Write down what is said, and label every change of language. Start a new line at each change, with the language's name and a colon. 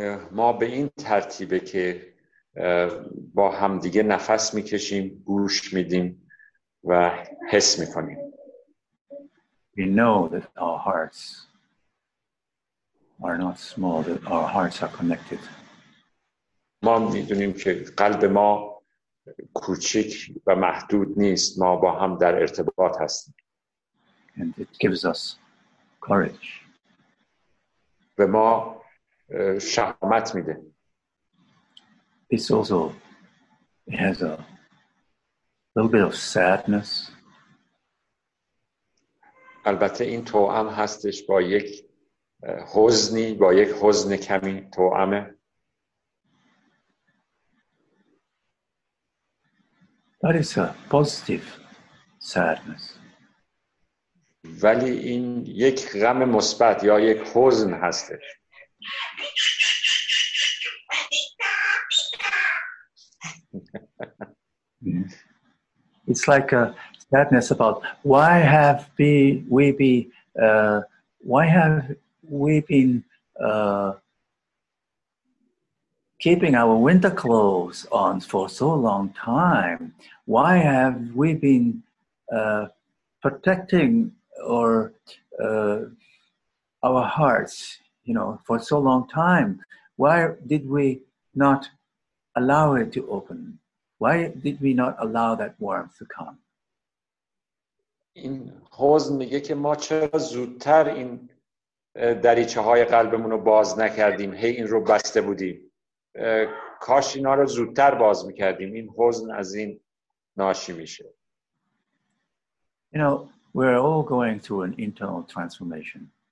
Persian: ما به این ترتیبه که با هم دیگه نفس میکشیم، گوش میدیم و حس میکنیم.
English: We know that our hearts are not small, that our hearts are connected.
Persian: ما میدونیم که قلب ما کوچک و محدود نیست، ما با هم در ارتباط هستیم.
English: And it gives us courage.
Persian: به ما شهامت میده.
English: It's also, it has a little bit of sadness.
Persian: البته این توأم هستش با یک حزنی، با یک حزن کمی توأمه.
English: But it's a positive sadness.
Persian: ولی این یک غم مثبت یا یک حزن هستش.
English: It's like a sadness about why have we be why have we been keeping our winter clothes on for so long time? Why have we been protecting or our hearts, you know, for so long time? Why did we not allow it to open? Why did we not allow that warmth to come?
Persian: این حوزن میگه که ما چرا زودتر این دریچه های قلبمون رو باز نکردیم، هی این رو بسته بودیم، کاش اینا رو زودتر باز میکردیم. این حوزن از این ناشی میشه.
English: You know, we're all going through an internal transformation.